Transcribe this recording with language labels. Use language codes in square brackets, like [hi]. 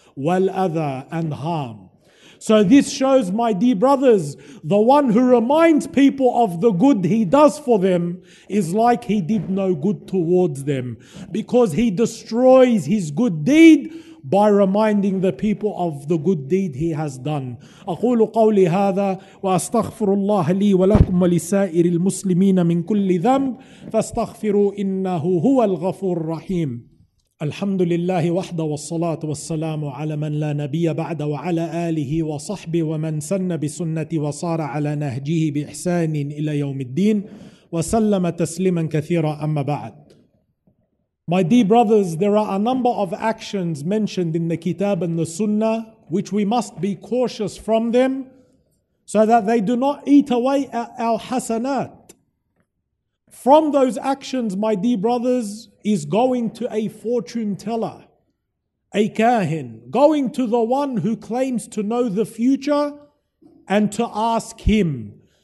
[en] وَالْأَذَى and harm. So this shows, my dear brothers, the one who reminds people of the good he does for them is like he did no good towards them, because he destroys his good deed by reminding the people of the good deed he has done. [ar] أقول قولي هذا وأستغفر الله لي ولكم ولسائر المسلمين من كل ذنب فاستغفروا إنه هو الغفور الرحيم. الحمد لله وحده والصلاة والسلام على من لا نبي بعد وعلى آله وصحبه ومن سن بسنة وصار على نهجه بإحسان إلى يوم الدين وسلم تسليما كثيرا أما بعد. [en] My dear brothers, there are a number of actions mentioned in the Kitab and the Sunnah which we must be cautious from them so that they do not eat away at our hasanat. From those actions, my dear brothers, is going to a fortune teller, a kahin, going to the one who claims to know the future and to ask him.